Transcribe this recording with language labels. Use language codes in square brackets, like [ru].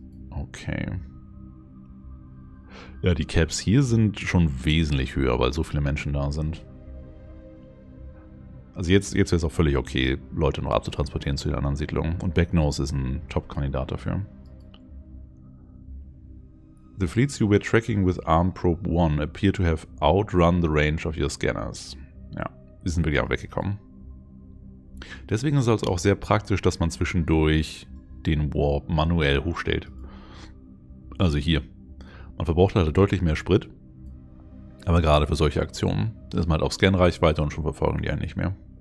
[de] Okay. Ja, die Caps hier sind schon wesentlich höher, weil so viele Menschen da sind. Also jetzt wäre es auch völlig okay, Leute noch abzutransportieren zu den anderen Siedlungen. Und Backnose ist ein Top-Kandidat dafür. [en] The fleets you were tracking with Arm Probe 1 appear to have outrun the range of your scanners. [de] Ja, die sind wirklich auch weggekommen. Deswegen ist es also auch sehr praktisch, dass man zwischendurch den Warp manuell hochstellt. Also hier. Man verbraucht halt deutlich mehr Sprit. Aber gerade für solche Aktionen ist man halt auf Scan-Reichweite und schon verfolgen die einen nicht mehr.